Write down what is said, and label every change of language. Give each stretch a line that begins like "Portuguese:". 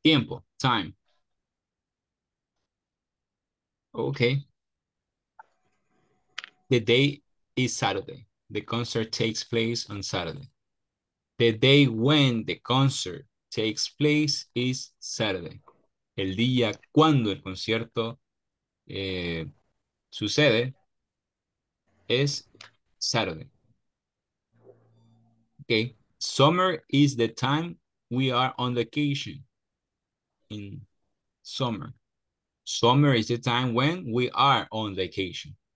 Spanish: Tiempo. Time.
English: Okay. The day is Saturday. The concert takes place on Saturday. The day when the concert takes place is Saturday.
Spanish: El día cuando el concierto sucede es Saturday.
English: Okay. Summer is the time we are on vacation. In summer. Summer is the time when we are on vacation.